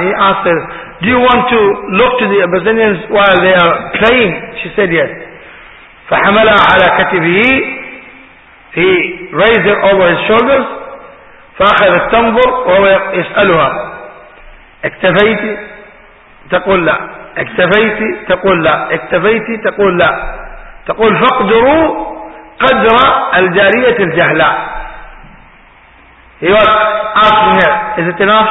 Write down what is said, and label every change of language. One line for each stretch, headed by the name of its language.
English: He asked her, do you want to look to the Abyssinians while they are playing? She said yes.
Arabic: فحملها على كتفه.
English: He raised her over his shoulders.
Arabic: فأخذت تنظر وهو يسألها اكتفيت؟ تقول لا. اكتفيت؟ تقول لا. اكتفيت؟ تقول لا. تقول فاقدروا قدر الجارية الجهلاء.
English: He was asking her, is it enough?